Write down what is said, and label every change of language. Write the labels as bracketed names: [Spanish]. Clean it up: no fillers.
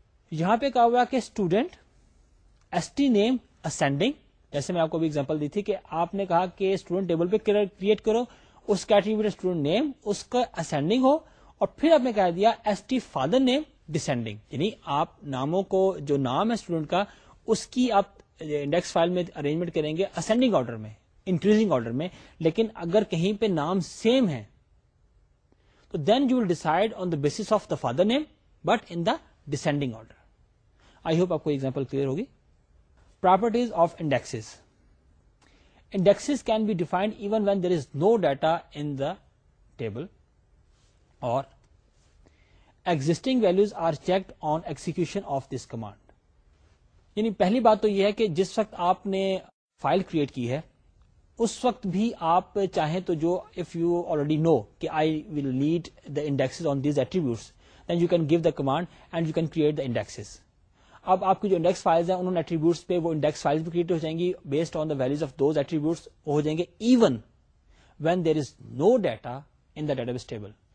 [Urdu] یہاں پہ کہا ہوا کہ student ST name ascending, جیسے میں آپ کو بھی example دی تھی کہ آپ نے کہا کہ student table پہ create کرو اس کا ایٹریبیوٹ اسٹوڈنٹ نیم اس کا اسینڈنگ ہو, اور پھر آپ نے کہہ دیا S T father name descending. یعنی آپ ناموں کو, جو نام ہے اسٹوڈنٹ کا, اس کی آپ انڈیکس فائل میں ارینجمنٹ کریں گے اسینڈنگ آرڈر میں, انکریزنگ آرڈر میں. لیکن اگر کہیں پہ نام سیم ہے تو [English] Then you will decide on the basis of the father name but in the descending order. I hope [Urdu] آپ کو ایگزامپل کلیئر ہوگی. [English] Properties of indexes. Indexes can be defined even when there is no data in the table, or existing values are checked on execution of this command. [Urdu] یعنی پہلی بات تو یہ ہے کہ جس وقت آپ نے فائل کریٹ کی ہے اس وقت بھی آپ چاہیں تو جو [English] if you already know [Urdu] کہ [English] I will need the indexes [Urdu] on these attributes, then you can give the command and you can create the indexes. اب آپ کی جو انڈیکس فائلز ہیں انہوں نے ایٹریبیوٹس پہ وہ انڈیکس فائلز بھی کریٹ ہو جائیں گی [English] based on the values of those attributes [Urdu] ہو جائیں گے [English] Even when there is no data in the database table.